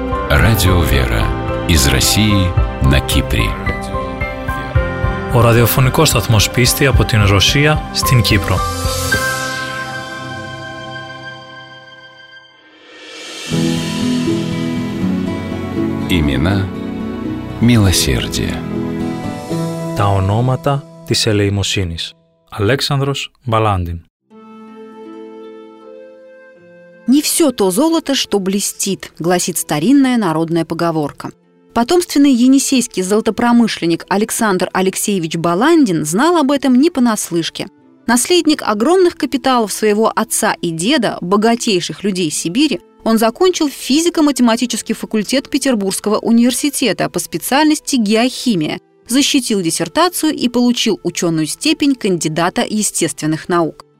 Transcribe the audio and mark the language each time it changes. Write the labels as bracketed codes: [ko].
[ru] Радио «Вера» из России на Кипре. [el] О радиофонικός сταθμός πίστη από την Ρωσία στην Κύπρο. [ru] Имена милосердия. [el] Τα ονόματα της ελεημοσύνης. Αλέξανδρος Μπαλάντιν. [ru] «Не все то золото, что блестит», — гласит старинная народная поговорка. Потомственный енисейский золотопромышленник Александр Алексеевич Баландин знал об этом не понаслышке. Наследник огромных капиталов своего отца и деда, богатейших людей Сибири, он закончил физико-математический факультет Петербургского университета по специальности геохимия, защитил диссертацию и получил ученую степень кандидата естественных наук.